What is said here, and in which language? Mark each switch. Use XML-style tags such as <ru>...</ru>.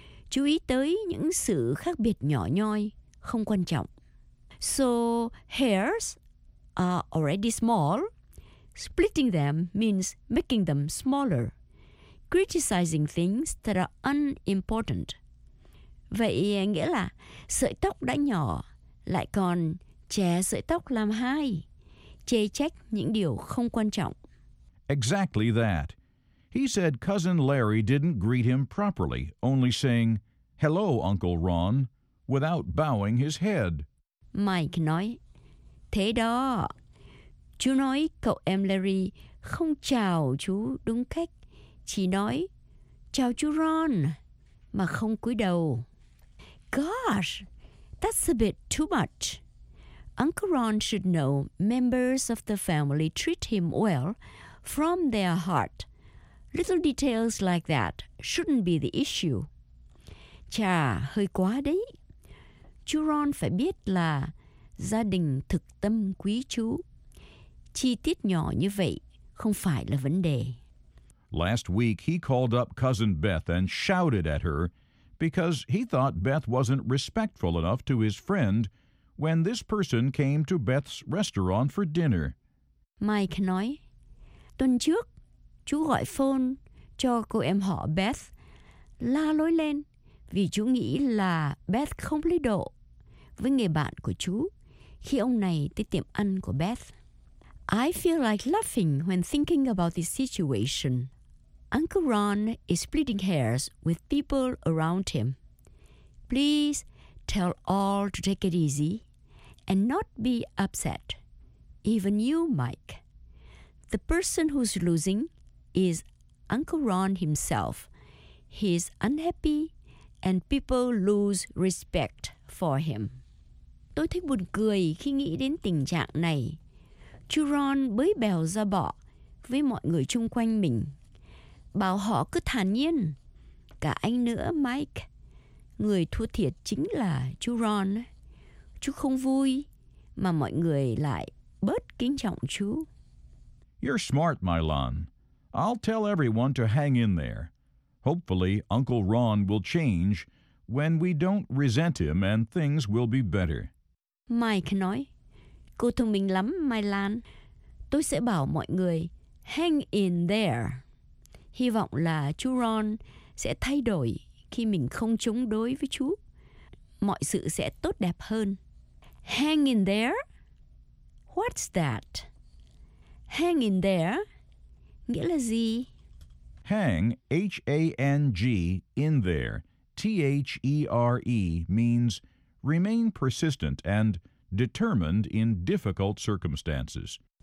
<vi>Chú ý tới những sự khác biệt nhỏ nhoi, không quan trọng.</vi> <en>So, hairs are already small. Splitting them means making them smaller. Criticizing things that are unimportant.</en> <vi>Vậy nghĩa là sợi tóc đã nhỏ, lại còn chẻ sợi tóc làm hai, chê trách những điều không quan trọng.</vi> <en>Exactly that. He said cousin Larry didn't greet him properly, only saying, "Hello, Uncle Ron," without bowing his head.</en> <vi>Mike nói, thế đó. Chú nói cậu em Larry không chào chú đúng cách, chỉ nói, chào chú Ron, mà không cúi đầu.</vi> <en>Gosh, that's a bit too much. Uncle Ron should know members of the family treat him well from their heart. Little details like that shouldn't be the issue.</en> <vi>Chà, hơi quá đấy. Chú Ron phải biết là gia đình thực tâm quý chú. Chi tiết nhỏ như vậy không phải là vấn đề.</vi> <en>Last week, he called up cousin Beth and shouted at her because he thought Beth wasn't respectful enough to his friend when this person came to Beth's restaurant for dinner.</en> <vi>Mike nói, tuần trước, chú gọi phone cho cô em họ Beth, la lối lên vì chú nghĩ là Beth không lý độ với người bạn của chú khi ông này tới tiệm ăn của Beth.</vi> <en>I feel like laughing when thinking about this situation. Uncle Ron is splitting hairs with people around him. Please tell all to take it easy and not be upset. Even you, Mike. The person who's losing is Uncle Ron himself. He's unhappy and people lose respect for him.</en> <vi>Tôi thấy buồn cười khi nghĩ đến tình trạng này. Chú Ron bới bèo ra bọ với mọi người chung quanh mình. Bảo họ cứ thản nhiên. Cả anh nữa, Mike. Người thua thiệt chính là chú Ron. Chú không vui mà mọi người lại bớt kính trọng chú.</vi> <en>You're smart, Mylon. I'll tell everyone to hang in there. Hopefully, Uncle Ron will change when we don't resent him and things will be better.</en> <vi>Mike nói, cô thông minh lắm, Mylon. Tôi sẽ bảo mọi người hang in there. Hy vọng là chú Ron sẽ thay đổi khi mình không chống đối với chú. Mọi sự sẽ tốt đẹp hơn. Hang in there?</vi> <en>What's that?</en> <vi>Hang in there nghĩa là gì?</vi> <en>Hang, H-A-N-G, in there, T-H-E-R-E, means remain persistent and determined in difficult circumstances.</en>